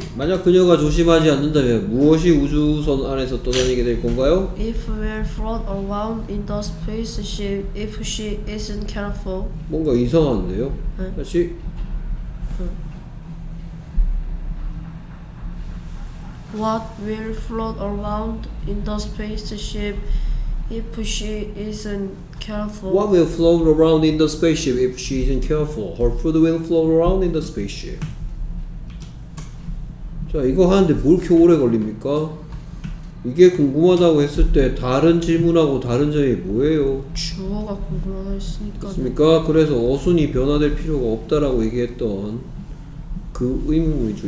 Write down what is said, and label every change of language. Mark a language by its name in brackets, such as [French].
[Korean] 만약 그녀가 조심하지 않는다면 무엇이 우주선 안에서 떠다니게 될 건가요? [English] If we're float around in the spaceship, if she isn't careful. [Korean] 뭔가 이상한데요? 응. 다시. 응. [English] What will float around in the spaceship if she isn't careful? What will float around in the spaceship if she isn't careful? Her food will float around in the spaceship. [Korean] 자, 이거 하는데 뭘 이렇게 오래 걸립니까? 이게 궁금하다고 했을 때 다른 질문하고 다른 점이 뭐예요? 주어가 궁금하다 했으니까. 그렇습니까? 그래서 어순이 변화될 필요가 없다라고 얘기했던 그 의문이죠.